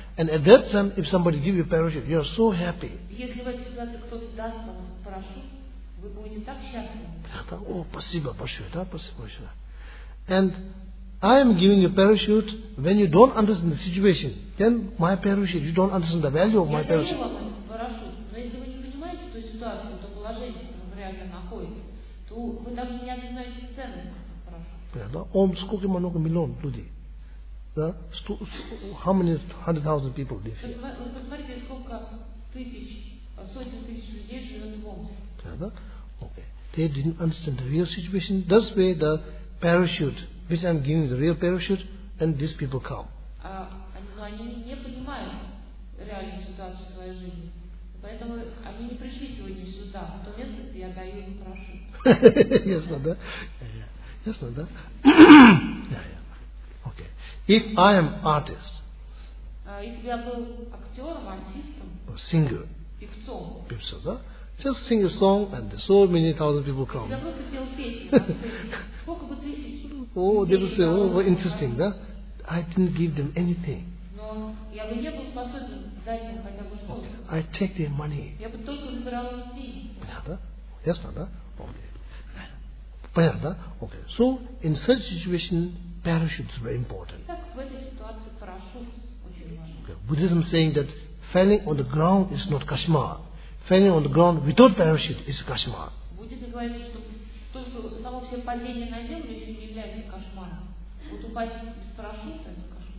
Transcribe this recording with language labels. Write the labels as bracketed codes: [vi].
[en] And at that time, if somebody give you parachute, you are so happy. [ru] Если в этой ситуации кто-то даст вам парашют, вы будете так счастливы. Понятно? О, спасибо большое, да? Спасибо большое. [en] And I am giving you parachute when you don't understand the situation. Then my parachute, you don't understand the value of my parachute. [ru] Я даю вам парашют, но если вы не понимаете ту ситуацию, то положение, в котором вы реально находитесь, то вы даже не знаете ценность парашюта. Понятно? Омск, сколько много миллион людей? [en] Да? How many hundred thousand people live here? [ru] Вы посмотрите, сколько тысяч, сотен тысяч людей живет в Омске. [en] Понятно? Okay. They didn't understand the real situation. That's why the parachute, which I'm giving the real parachute, and these people come. [ru] Они не понимают реальную ситуацию в своей жизни. Поэтому они не пришли сегодня сюда. В то место, где я даю им парашют. Ясно, да? Yeah. Ясно, да? [en] Окей. If I am artist. [ru] Если я был актером, артистом. [en] Singer. [ru] Певцом. Певцом, да? [en] Just sing a song and so many thousand people come. [ru] Я просто пел песни. Сколько бы [en] тысяч? Oh, they will say, oh, interesting, да? I didn't give them anything. [ru] Но я бы не был способен дать им хотя бы что-то. [en] I take their money. [ru] Я бы только забирал деньги. Понятно? Ясно, да? Окей. Понятно, да? Окей. [en] So, in such situation, parachute is very important. [ru] Так, в этой ситуации парашют очень важен. [en] Okay. Buddhism saying that falling on the ground is not kashma. Falling on the ground without parachute is kashma. [ru] Буддизм говорит, что то, что само все падение на землю, не является кошмаром. Вот упасть без парашюта — это кошмар.